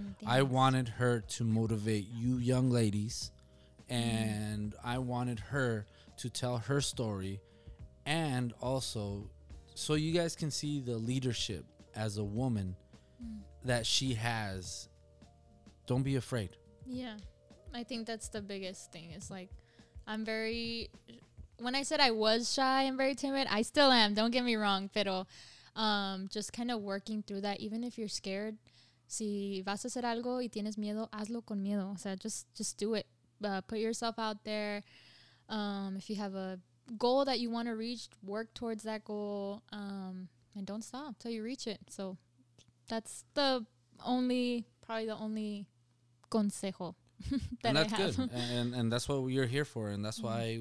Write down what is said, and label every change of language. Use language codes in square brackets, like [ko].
[en] I wanted her to motivate you young ladies, and I wanted her to tell her story, and also so you guys can see the leadership as a woman that she has. Don't be afraid. Yeah, I think that's the biggest thing. It's like, I'm very when I said I was shy and very timid, I still am. Don't get me wrong, [es] pero [en] just kind of working through that, even if you're scared. [es] Si vas a hacer algo y tienes miedo, hazlo con miedo. O sea, [en] just do it. Put yourself out there. If you have a goal that you want to reach, work towards that goal. And don't stop till you reach it. So that's the only, probably the only consejo that and that's I have. Good. And that's what you're here for. And that's mm-hmm.